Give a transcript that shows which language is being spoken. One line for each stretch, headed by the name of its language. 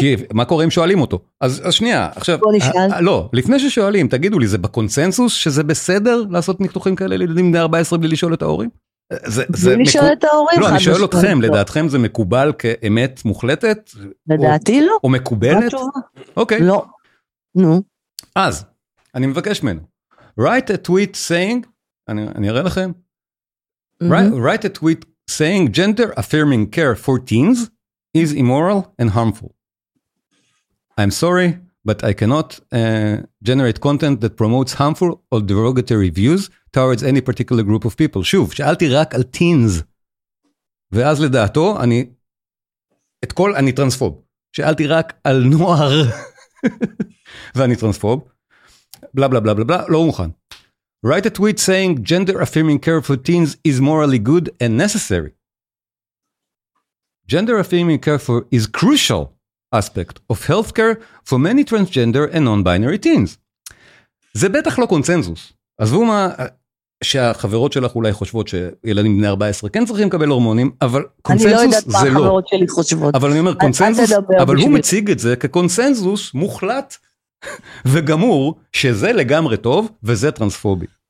Hebrew: כי מה קורה אם שואלים אותו? אז שנייה, עכשיו, לא, לפני ששואלים, תגידו לי, זה בקונסנסוס שזה בסדר לעשות ניתוחים כאלה לילדים בני 14 בלי לשאול את ההורים? זה בלי לשאול את ההורים? לא, אני שואל אתכם, לדעתכם זה מקובל כאמת מוחלטת? לדעתי לא. או מקובלת? אוקיי. לא. נו. אז אני מבקש ממנו,
English: write a tweet saying,
Hebrew: אני אראה לכם,
English: write a tweet saying gender affirming care for teens is immoral and harmful. I'm sorry, but I cannot generate content that promotes harmful or derogatory views towards any particular group of people.
Hebrew: שוב, שאלתי רק על teens, ואז לדעתו, אני טרנספוב. שאלתי רק על נוער, ואני טרנספוב. בלה בלה בלה בלה בלה, לא מוכן.
English: Write a tweet saying gender affirming care for teens is morally good and necessary. Gender affirming care for is crucial aspect of healthcare for many transgender and non-binary teens.
Hebrew: זה בטח לא קונצנזוס. עזבו מה שהחברות שלך אולי חושבות שילדים בני 14 כן צריכים לקבל הורמונים, אבל קונצנזוס זה לא. אני לא יודעת מה החברות שלי חושבות. אבל אני אומר קונצנזוס, אבל הוא מציג את זה כקונצנזוס מוחלט. וגמור שזה לגמרי טוב וזה טרנספובי.